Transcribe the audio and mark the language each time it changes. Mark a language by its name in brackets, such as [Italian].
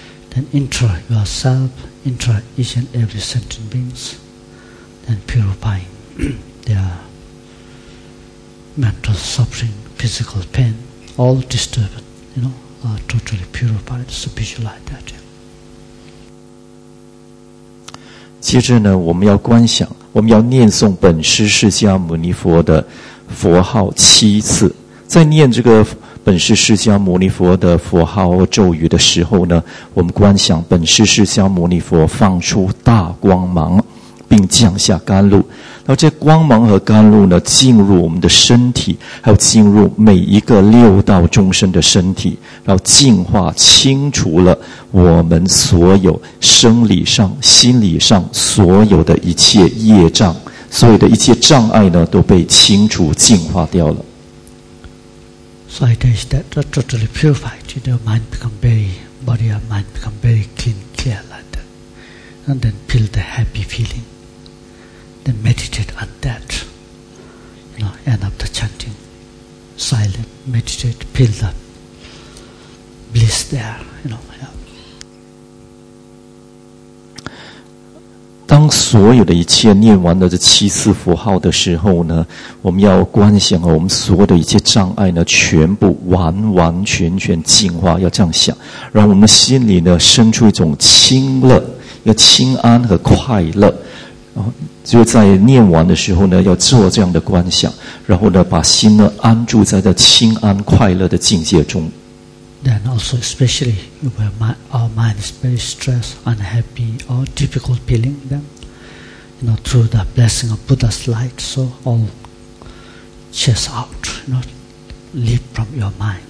[English] Then intra yourself, intra each and every sentient beings, then purifying their mental suffering, physical pain, all disturbed, you know, are totally purified, so visualize that. [Chinese] 接着呢，我们要观想，我们要念诵本师释迦牟尼佛的佛号七次，在念这个本师释迦牟尼佛的佛号咒语的时候呢，我们观想本师释迦牟尼佛放出大光芒，并降下甘露。然后这光芒和甘露呢，进入我们的身体，还有进入每一个六道众生的身体，然后净化清除了我们所有生理上、心理上所有的一切业障，所有的一切障碍呢，都被清除、净化掉了。 [English] So it is that totally purified, you know, mind become very, body and mind become very clean, clear like that. And then feel the happy feeling. Then meditate on that. You know, end up the chanting, silent, meditate, feel the bliss there, you know, yeah. [Chinese] 当所有的一切念完了这七次佛号的时候呢，我们要观想我们所有的一切障碍呢，全部完完全全净化，要这样想，让我们心里呢生出一种清乐，要清安和快乐。就在念完的时候呢，要做这样的观想，然后呢，把心呢安住在这清安快乐的境界中。 [English] Then also especially when our mind is very stressed, unhappy, or difficult feeling, then you know, through the blessing of Buddha's light, so all chase out, you know, leave from your mind.